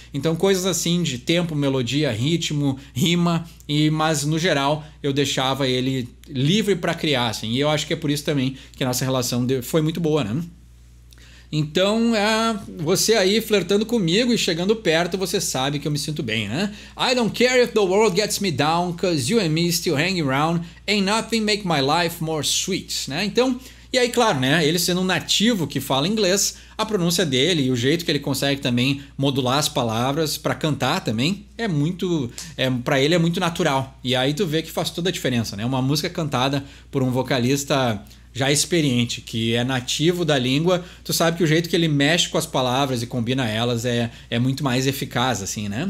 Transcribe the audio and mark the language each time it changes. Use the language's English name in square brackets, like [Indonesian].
[Portuguese] Então coisas assim de tempo, melodia, ritmo, rima. Mas no geral eu deixava ele livre para criar, assim. E eu acho que é por isso também que a nossa relação foi muito boa, né? Então, você aí flertando comigo e chegando perto, você sabe que eu me sinto bem, né? [English] I don't care if the world gets me down, cause you and me still hanging around, ain't nothing make my life more sweet, [Portuguese] né? Então, e aí, claro, né? Ele sendo um nativo que fala inglês, a pronúncia dele e o jeito que ele consegue também modular as palavras para cantar também é muito, para ele é muito natural. E aí tu vê que faz toda a diferença, né? Uma música cantada por um vocalista já experiente, que é nativo da língua, tu sabe que o jeito que ele mexe com as palavras e combina elas é muito mais eficaz, assim, né?